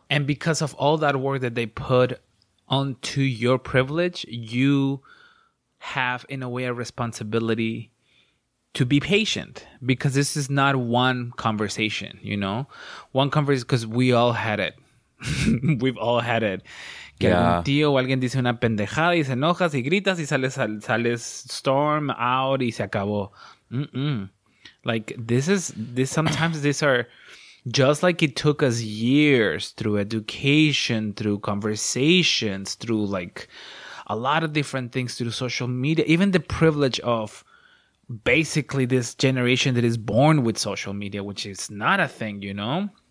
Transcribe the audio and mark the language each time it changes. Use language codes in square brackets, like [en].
[en] And because of all that work that they put onto your privilege, you have in a way a responsibility to be patient because this is not one conversation, you know? One conversation because we all had it. We've all had it. Que yeah. [es] un tío o alguien dice una pendejada y se enojas y gritas y sales [en] storm out [es] y se acabó. Mm-mm. [en] Like this sometimes these are just like it took us years through education, through conversations, through like a lot of different things, through social media, even the privilege of basically this generation that is born with social media, which is not a thing, you know?